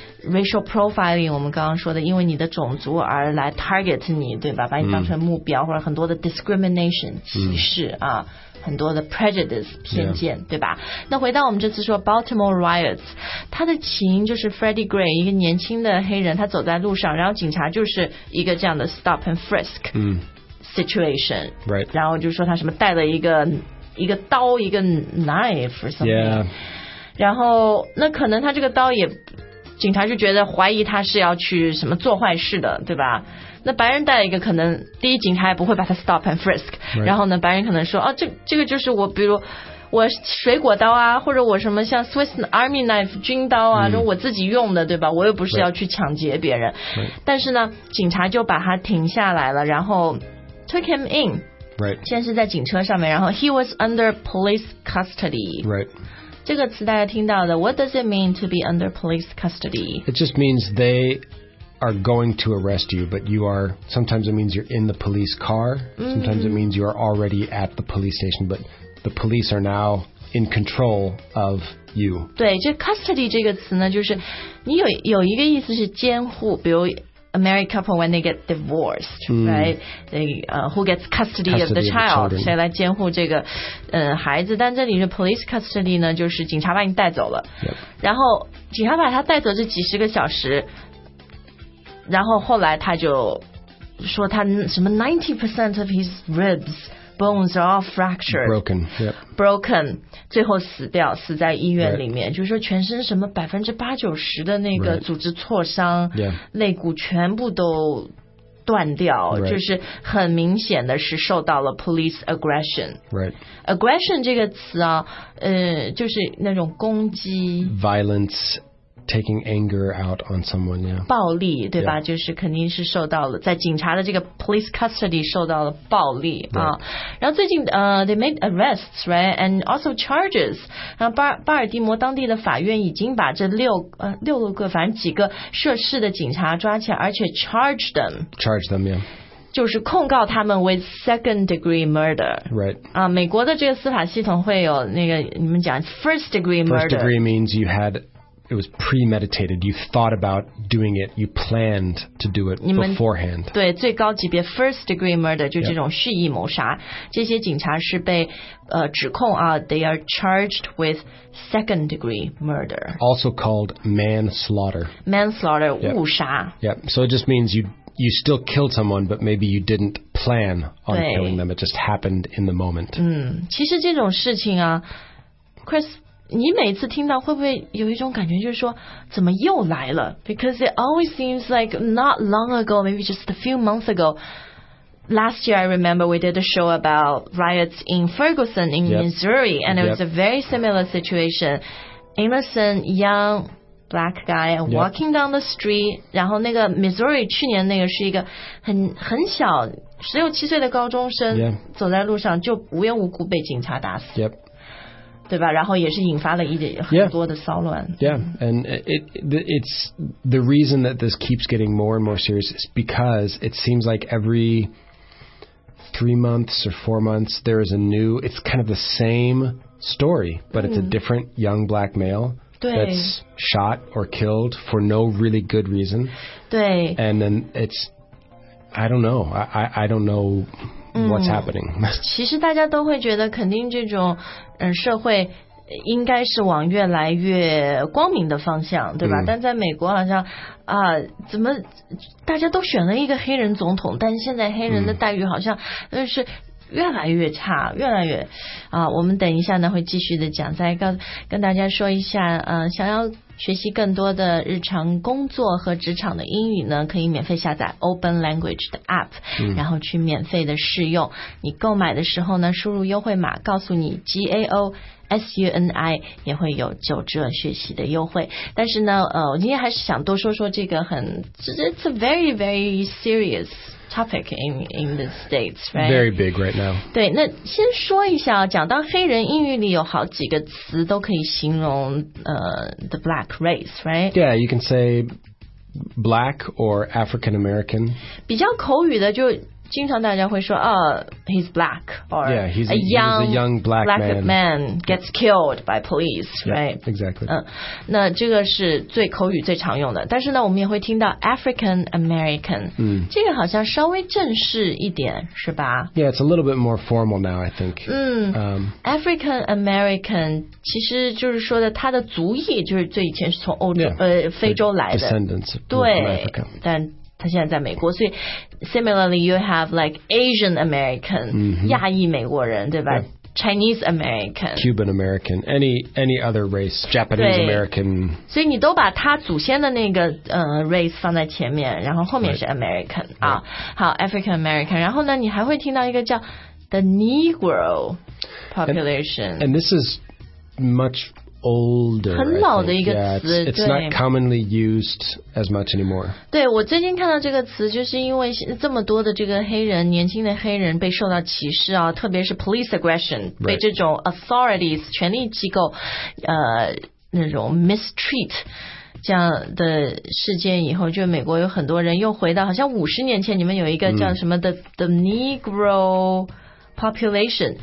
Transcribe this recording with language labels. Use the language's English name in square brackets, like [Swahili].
[Chinese] racial profiling， 我们刚刚说的因为你的种族而来 target 你，对吧，把你当成目标、或者很多的 discrimination 歧视、啊，很多的 prejudice 偏见、对吧。那回到我们这次说 Baltimore riots， 它的起因就是 Freddie Gray 一个年轻的黑人，他走在路上，然后警察就是一个这样的 [English] stop and frisk situation、 [Chinese] 然后就说他什么带了一个一个刀一个 [English] knife or something. Yeah. [Chinese] 然后那可能他这个刀也警察就觉得怀疑他是要去什么做坏事的对吧那白人带了一个可能第一警察也不会把他 [English] stop and frisk、 right. [Chinese] 然后呢白人可能说、哦、这个就是我比如我水果刀啊或者我什么像 Swiss Army Knife 军刀啊、mm. 我自己用的对吧我又不是要去抢劫别人、 [English] right. [Chinese] 但是呢警察就把他停下来了然后 [English] took him in、 right. [Chinese] 先是在警车上面然后 [English] he was under police custody、 right. [Chinese] 这个词大家听到的 [English] What does it mean to be under police custody? It just means they are going to arrest you But you are Sometimes it means you're in the police car、 mm-hmm. Sometimes it means you are already at the police station But the police are now in control of you [Chinese] 对这 custody 这个词呢就是你 有一个意思是监护比如 [English] a married couple when they get divorced、 mm. right? They, who gets custody, custody of the child of the [Chinese] 谁来监护这个孩子但这里是 police custody 呢就是警察把你带走了、 [English] yep. [Chinese] 然后警察把他带走这几十个小时然后后来他就说他什么 [English] 90% of his ribs bones are all fractured broken、yep. [Chinese] broken 最后死掉死在医院里面、 [English] right. [Chinese] 就是说全身什么百分之八九十的那个组织挫伤、 [English] right. yeah. [Chinese] 肋骨全部都断掉、 [English] right. [Chinese] 就是很明显的是受到了 police aggression、 [English] right. [Chinese] aggression 这个词啊就是那种攻击 [English] violence taking anger out on someone、yeah. [Chinese] 暴力对吧、 [English] yeah. [Chinese] 就是肯定是受到了在警察的这个 police custody 受到了暴力、 [English] right. [Chinese] 啊、然后最近、 [English] they made arrests right and also charges [Chinese] 然后巴尔的摩当地的法院已经把这六个反正几个涉事的警察抓起来而且 [English] charge them yeah [Chinese] 就是控告他们 [English] with second degree murder right [Chinese] 啊，美国的这个司法系统会有那个你们讲 first degree murder [English] first degree means you had it was premeditated you thought about doing it you planned to do it beforehand [Chinese] 对最高级别 first degree murder 就这种蓄意谋杀、 [English] yep. [Chinese] 这些警察是被指控啊 [English] they are charged with second degree murder also called manslaughter [Chinese] 误杀 [English] yep. so it just means you still killed someone, but maybe you didn't plan on killing them. It just happened in the moment. [Chinese] 嗯，其实这种事情啊 ，Chris， 你每次听到会不会有一种感觉，就是说怎么又来了 ？ [English] Because it always seems like not long ago, maybe just a few months ago. Last year, I remember we did a show about riots in Ferguson in yep. Missouri, and it was yep. a very similar situation. Innocent young. Black guy walking down the street、 yep. [Chinese] 然后那个 Missouri 去年那个是一个很小十六七岁的高中生、 [English] yep. [Chinese] 走在路上就无缘无故被警察打死、 [English] yep. [Chinese] 对吧然后也是引发了一点很多的骚乱 [English] yeah. yeah and it's the reason that this keeps getting more and more serious is because it seems like every 3 months or 4 months there is a new it's kind of the same story but it's a different young black maleThat's shot or killed for no really good reason. [Chinese] 对 [English] And then it's, I don't know. I don't know what's happening. [Chinese] 其实大家都会觉得肯定这种社会应该是往越来越光明的方向对吧、嗯、但在美国好像啊、怎么大家都选了一个黑人总统但现在黑人的待遇好像是越来越差越来越啊我们等一下呢会继续的讲再跟大家说一下想要学习更多的日常工作和职场的英语呢可以免费下载 Open Language 的 app、嗯、然后去免费的试用你购买的时候呢输入优惠码告诉你 GAOSUNI 也会有九折学习的优惠但是呢我今天还是想多说说这个很 [English] it's a very very seriousTopic in the States, right? Very big right now. [Chinese] 对，那先说一下，讲到黑人，英语里有好几个词都可以形容 [English] the black race, right? Yeah, you can say black or African American. [Chinese] 比较口语的，就经常大家会说， [English] he's black or yeah, he's a young black man gets killed by police, yeah, right? Exactly. [Chinese] 那这个是最口语最常用的。但是呢，我们也会听到 African American，这个好像稍微正式一点，是吧 [English] ？Yeah, it's a little bit more formal now, I think. [Chinese] African American 其实就是说的他的族裔，就是最以前是从欧洲 [English] yeah, [Chinese] 非洲来的 [English] descendants, [Chinese] 对，但。他现在在美国，所以 [English] similarly you have like Asian American、 mm-hmm. [Chinese] 亚裔美国人，对吧？ [English] Yeah. Chinese American, Cuban American, any other race, Japanese American. [Chinese] 所以你都把他祖先的那个race 放在前面，然后后面是 American、 [English] right. 啊， right. [Chinese] 好 African American， 然后呢，你还会听到一个叫 the Negro population， [English] and this is much older， [Chinese] 很老的一个词， [English] yeah, it's not commonly used as much anymore。 [Chinese] 对，我最近看到这个词，就是因为这么多的这个黑人，年轻的黑人被受到歧视啊，特别是 police aggression，、 [English] right. [Chinese] 被这种 authorities 权力机构，那种 mistreat。这样的事件以后，就美国有很多人又回到好像五十年前，你们有一个叫什么的、the Negro population，